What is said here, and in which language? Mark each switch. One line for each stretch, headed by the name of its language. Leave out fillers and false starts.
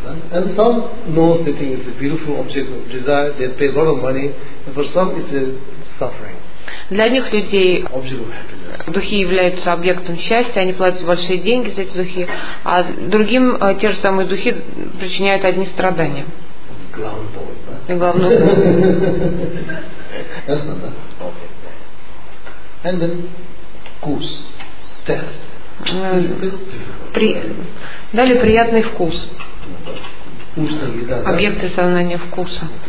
English: And some know that it is a beautiful object of desire. They pay a lot of money. And for some, it's a suffering.
Russian: Для одних людей духи являются объектом счастья, они платят большие деньги за эти духи, а другим те же самые духи причиняют одни страдания. Главное. Главное.
English: Okay. And then,
Russian: вкус,
English: test.
Russian: Далее приятный вкус. Объекты сознания вкуса.